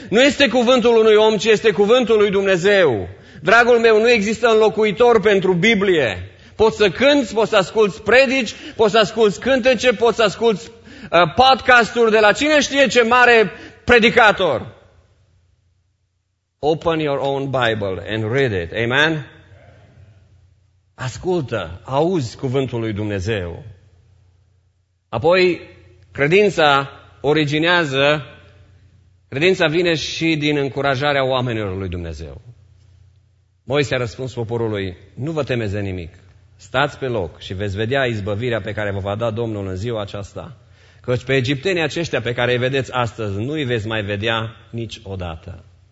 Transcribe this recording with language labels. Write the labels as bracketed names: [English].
[Romanian] Nu este cuvântul unui om, ci este cuvântul lui Dumnezeu. Dragul meu, nu există înlocuitor pentru Biblie. Poți să cânți, poți să asculți predici, poți să asculți cântece, poți să asculți podcasturi de la cine știe ce mare predicator. [English] Open your own Bible and read it. [Romanian] Amen? Ascultă, auzi cuvântul lui Dumnezeu. Apoi, credința originează, credința vine și din încurajarea oamenilor lui Dumnezeu. Moise a răspuns poporului, nu vă temeți de nimic, stați pe loc și veți vedea izbăvirea pe care vă va da Domnul în ziua aceasta, căci pe egiptenii aceștia pe care îi vedeți astăzi nu îi veți mai vedea niciodată.